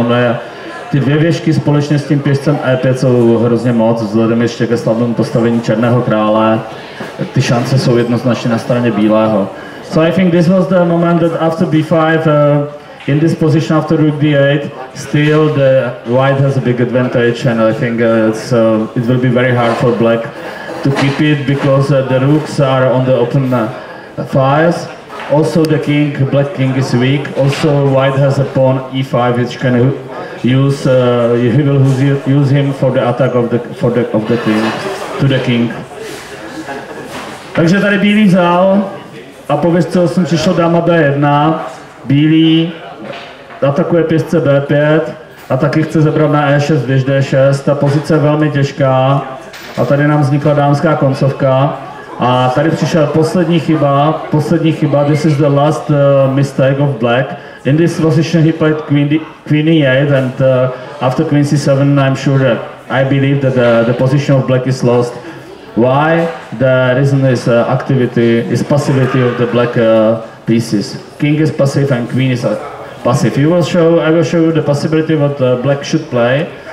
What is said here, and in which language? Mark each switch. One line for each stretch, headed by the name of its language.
Czech: Ono je, ty dvě věžky společně s tím pěšcem e5 jsou hrozně moc, vzhledem ještě ke slabému postavení černého krále, ty šance jsou jednoznačně na straně bílého.
English: So I think this was the moment that after b5, in this position after rook d8, still the white has a big advantage, and I think it will be very hard for black to keep it, because the rooks are on the open files. Also the king, black king is weak. Also white has a pawn e5, which can use, he will use him for the attack of the king, to the king.
Czech: Takže tady bílý vzal. A po věžce 8 přišlo dáma B1, bílý atakuje pěšce B5 a taky chce zebrat na E6 věž D6, ta pozice je velmi těžká a tady nám vznikla dámská koncovka a tady přišla poslední chyba,
English: this is the last mistake of black. In this position he played queen E8 and after queen C7 I'm sure that I believe that the position of black is lost. Why? The reason is activity, is passivity of the black pieces. King is passive and queen is passive. I will show you the possibility what black should play.